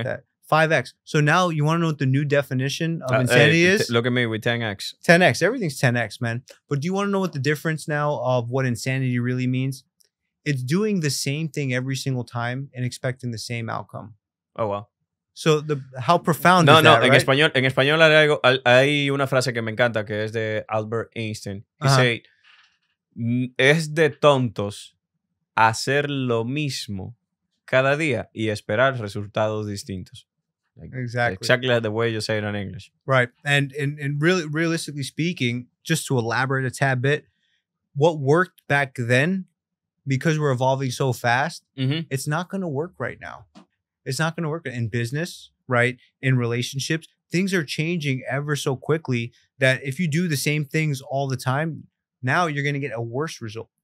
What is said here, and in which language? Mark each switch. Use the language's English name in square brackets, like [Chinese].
[English] about that. 5X. So now you want to know what the new definition of insanity is? Look at me with 10X. 10X. Everything's 10X, man. But do you want to know what the difference now of what insanity really means? It's doing the same thing every single time and expecting the same outcome. Oh, wow. So how profound is that, No, right? [Spanish] En español hay una frase que me encanta que es de Albert Einstein. [English] He said, [Spanish] es de tontos hacer lo mismo cada día y esperar resultados distintos. [English] Exactly like the way you say it in English. Right. And really, realistically speaking, just to elaborate a tad bit, what worked back then, because we're evolving so fast, it's not going to work right now. It's not going to work in business, right? In relationships, things are changing ever so quickly that if you do the same things all the time, now you're going to get a worse result.